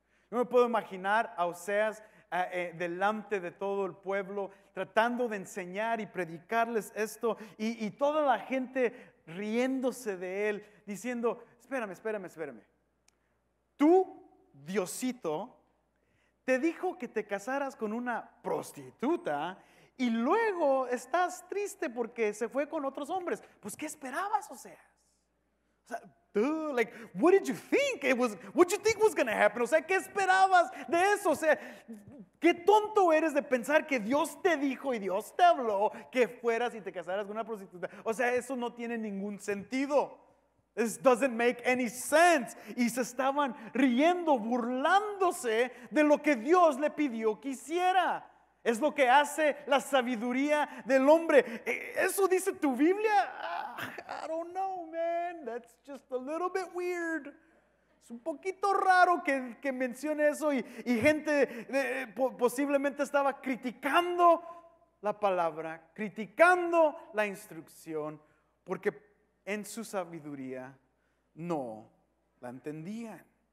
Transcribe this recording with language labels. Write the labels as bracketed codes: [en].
[es] No me puedo imaginar a Oseas delante de todo el pueblo tratando de enseñar y predicarles esto y toda la gente riéndose de él diciendo, espérame. Tú, Diosito, te dijo que te casaras con una prostituta y luego estás triste porque se fue con otros hombres. Pues, ¿qué esperabas, Oseas? O sea, [en] what did you think it was? What you think was going to happen? [es] O sea, ¿qué esperabas de eso? O sea, ¿qué tonto eres de pensar que Dios te dijo y Dios te habló que fueras y te casaras con una prostituta? O sea, eso no tiene ningún sentido. [en] This doesn't make any sense. [es] Y se estaban riendo, burlándose de lo que Dios le pidió que hiciera. Es lo que hace la sabiduría del hombre. ¿Eso dice tu Biblia? [en] I don't know, man. That's just a little bit weird. [es] Es un poquito raro que mencione eso y gente posiblemente estaba criticando la palabra, criticando la instrucción, porque en su sabiduría no la entendían.